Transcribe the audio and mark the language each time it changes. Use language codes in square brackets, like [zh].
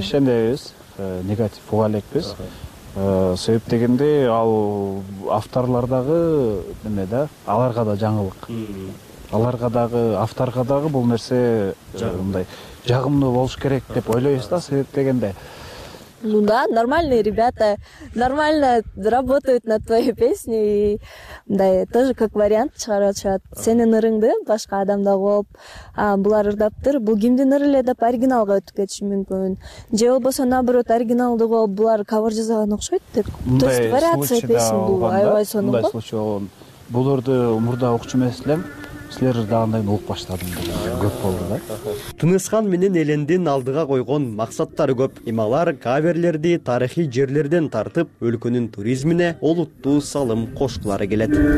[ky] Ишенебиз. Негатив уга элекпиз. Себеп дегенде ал авторлордагы эме да, аларга да жаңылык. Аларга дагы, авторго дагы бул нерсе мындай жагымдуу болуш керек деп ойлойбуз да, себеп дегенде. [ru] Ну да, нормальные ребята, нормально работают над твоей песней. Да, тоже как вариант [ky] чыгарып атышат. Сенин ырыңды башка адамда болуп, булар ырдаптыр, бул кимдин ыры эле деп оригиналга өтүп кетиши мүмкүн. Же болбосо наоборот оригиналды болуп, булар кавер жасаган окшойт деп. [ru] То есть вариация песни [ky] бул аябай сонун. Мындай случай болгон. Бул ырды мурда укчу эмес элем. Силер ырдагандан кийин угуп баштадым да, көп болду да. Тыныскан менен Элендин алдыга койгон максаттары көп. Эми алар каверлерди тарыхый жерлерден тартып, өлкөнүн туризмине олуттуу салым кошкулары келет.